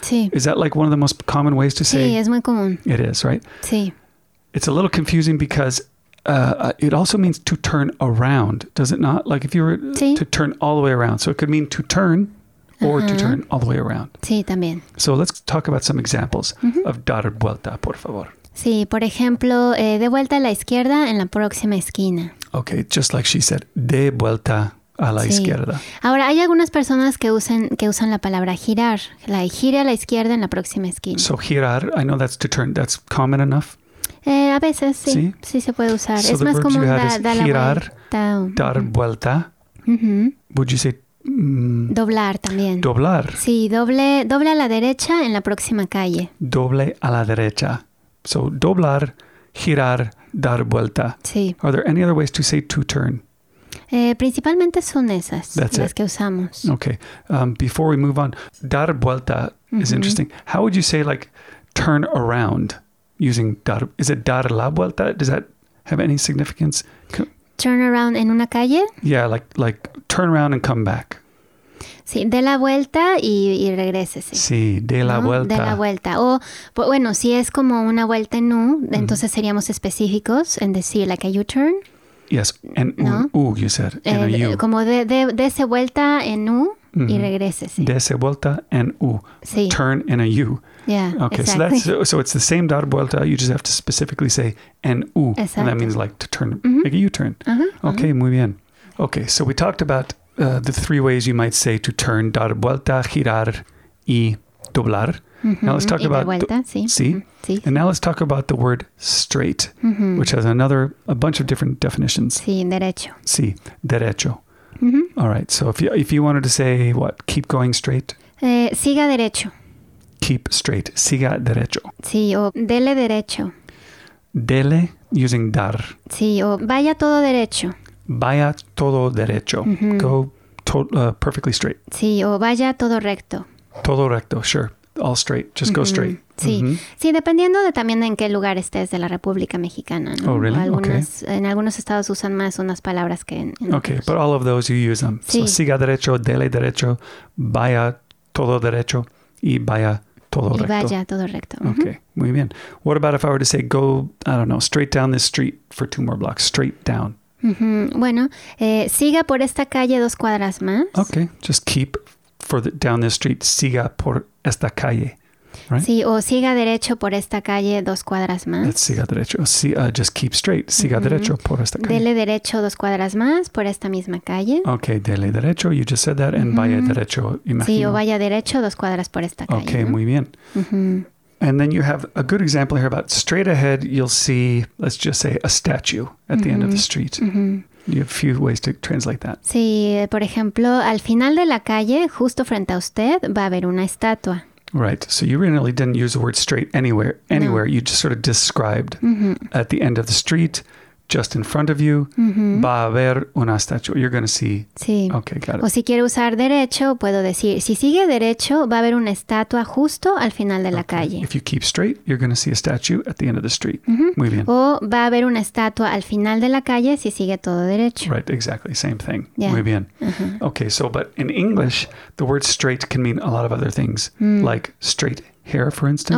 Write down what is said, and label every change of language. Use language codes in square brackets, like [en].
[en] Is that like one of the most common ways to say? [es] Sí, es muy común. [en] It is, right? [es] Sí. [en] It's a little confusing because it also means to turn around, does it not? Like if you were to turn all the way around. So it could mean to turn or to turn all the way around. [es] Sí, también. [en] So let's talk about some examples of [es] dar vuelta, por favor. Sí, por ejemplo, de vuelta a la izquierda en la próxima esquina. [en] Okay, just like she said, [es] de vuelta a la izquierda. Ahora, hay algunas personas que usan la palabra girar, like, gire a la izquierda en la próxima esquina. [en] So girar, I know that's to turn, that's common enough? [es] A veces, sí. Sí se puede usar. [en] So [es] es más común [en] girar, dar vuelta, Mm-hmm. Would you say... [es] Doblar también. Doblar. Sí, doble a la derecha en la próxima calle. Doble a la derecha. So, doblar, girar, dar vuelta. Sí. [en] Are there any other ways to say to turn? [es] Principalmente son esas. [en] That's [es] las it. Que usamos. [en] Okay. Before we move on, dar vuelta mm-hmm. is interesting. How would you say, like, turn around using dar? Is it dar la vuelta? Does that have any significance? Turn around [es] en una calle? [en] Yeah, like turn around and come back. [es] Sí, de la vuelta y regrésese. Sí, de la ¿no? vuelta. De la vuelta. O, bueno, si es como una vuelta en U, mm-hmm. entonces seríamos específicos en decir, [en] like a U-turn. Yes, en ¿no? U, you said, en a U. [es] Como de esa vuelta en U mm-hmm. y regrésese. De esa vuelta en U. Sí. [en] Turn in a U. Yeah, okay, exactly. So that's, so it's the same dar vuelta, you just have to specifically say en U. [es] Exacto. [en] And that means like to turn, mm-hmm. make a U-turn. Uh-huh, okay, uh-huh. [es] muy bien. [en] Okay, so we talked about the three ways you might say to turn, [es] dar vuelta, girar y doblar. Mm-hmm. [en] Now let's talk [es] y [en] about... [es] de vuelta, sí. Sí? Mm-hmm. Sí. [en] And now let's talk about the word straight, mm-hmm. which has a bunch of different definitions. [es] Sí, derecho. Sí, derecho. Mm-hmm. [en] All right, so if you wanted to say what, keep going straight? [es] Siga derecho. [en] Keep straight. [es] Siga derecho. Sí, o dele derecho. [en] Dele, using dar. [es] Sí, o vaya todo derecho. Vaya todo derecho. Mm-hmm. [en] Go perfectly straight. [es] Sí, o vaya todo recto. Todo recto, [en] sure. All straight. Just mm-hmm. go straight. [es] Sí. Mm-hmm. Sí, dependiendo de también en qué lugar estés de la República Mexicana, ¿no? [en] Oh, really? [es] En algunos estados usan más unas palabras que en otros. [en] Okay, but all of those you use them. [es] Sí. So, siga derecho, dele derecho, vaya todo derecho. Y vaya todo recto. Y vaya todo recto. Mm-hmm. Okay, muy bien. [en] What about if I were to say go, I don't know, straight down this street for two more blocks. Straight down. Mm-hmm. [es] Bueno, siga por esta calle dos cuadras más. [en] Okay, just keep for the, down this street. [es] Siga por esta calle. [en] Right? [es] Sí, o siga derecho por esta calle dos cuadras más. [en] That's [es] siga derecho. [en] Just keep straight. [es] Siga mm-hmm. derecho por esta calle. Dele derecho dos cuadras más por esta misma calle. [en] Okay, [es] dele derecho. [en] You just said that. And mm-hmm. [es] vaya derecho, [en] imagino. [es] Sí, o vaya derecho dos cuadras por esta calle. [en] Okay, [es] ¿no? muy bien. Mm-hmm. [en] And then you have a good example here about straight ahead. You'll see, let's just say, a statue at mm-hmm. the end of the street. Mm-hmm. You have a few ways to translate that. [es] Sí, por ejemplo, al final de la calle, justo frente a usted, va a haber una estatua. [en] Right. So you really didn't use the word straight anywhere. Anywhere. No. You just sort of described mm-hmm. at the end of the street, just in front of you, mm-hmm. [es] va a haber una estatua. [en] You're going to see. [es] Sí. [en] Okay, got it. [es] O si quiero usar derecho, puedo decir, si sigue derecho, va a haber una estatua justo al final de [en] okay. [es] la calle. [en] If you keep straight, you're going to see a statue at the end of the street. Mm-hmm. [es] Muy bien. O va a haber una estatua al final de la calle si sigue todo derecho. [en] Right, exactly. Same thing. Yeah. [es] Muy bien. Mm-hmm. [en] Okay, so, but in English, the word straight can mean a lot of other things, like straight hair, for instance.